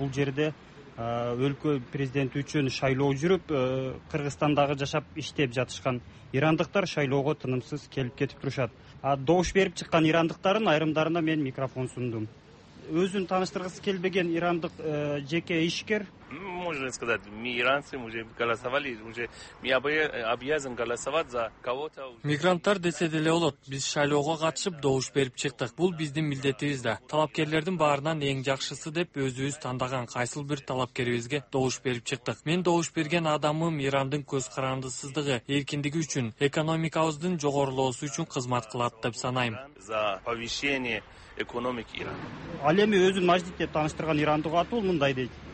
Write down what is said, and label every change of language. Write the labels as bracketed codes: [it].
[ky] Бул жерде өлкө президенти үчүн шайлоо жүрүп, Кыргызстандагы жашап иштеп жатышкан ирандыктар шайлоого тынымсыз келип кетип турушат. А добуш берип чыккан ирандыктардын айрымдарына мен микрофон сундум. Өзүн тааныштыргысы келбеген ирандык жеке ишкер, [ru] можно сказать, мигранты уже голосовали, уже мы обязан голосовать за кого-то. [ky] Мигранттар десе деле болот. Биз шайлоого катышып добуш берип чыктык. Бул биздин милдетибиз да. Талапкерлердин баарынан эң жакшысы деп өзүбүз тандаган кайсыл бир талапкерибизге добуш берип чыктык. Мен добуш берген адамым Ирандын көз карандысыздыгы, эркиндиги үчүн, экономикабыздын жогорулоосу үчүн кызмат кылат деп санайм. [ru] За повышение экономики Ирана. [ky] Ал эми өзүн Маждит деп тааныштырган ирандык аты мындай дейт.